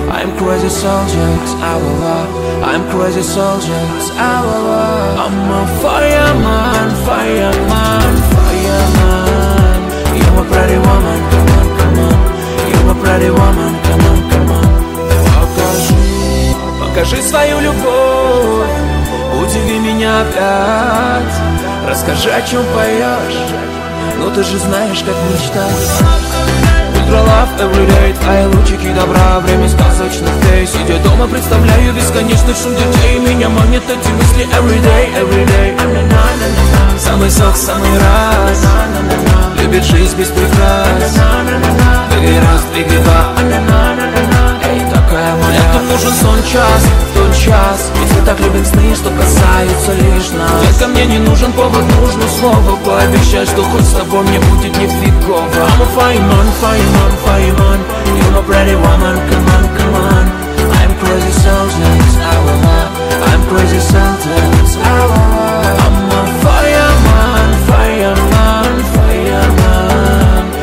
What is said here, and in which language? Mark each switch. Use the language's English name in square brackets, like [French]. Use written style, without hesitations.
[English] I'm crazy soldier, cause I will love. I'm crazy soldier, cause I will love. I'm a fireman, fireman, fireman. You're my pretty woman, come on, come on. You're my pretty woman, come on, come on. [Russian] Покажи, покажи свою любовь. Удиви меня опять. Расскажи, о чем поешь. Ну ты же знаешь, как мечтать. Про [English] love every day, [Russian] твои лучики добра. Время сказочных дней. Сидя дома, представляю бесконечный шум детей. Меня манят эти мысли [English] every day, every day. [Russian] Самый сок, самый раз. Любит жизнь без прикрас. Беги раз, беги два. Эй, такая моя. Нет, нужен сон час, тот час. Ведь мы так любим сны, что касаются лишь нас. Детка, мне не нужен повод, нужно слово. Пообещай, что хоть с тобой мне будет нифигово. [English] I'm a fireman, fireman, fireman. You're my pretty woman, come on, come on. I'm crazy soldiers, I will love. I'm crazy soldiers, I will love. I'm a fireman, fireman, fireman.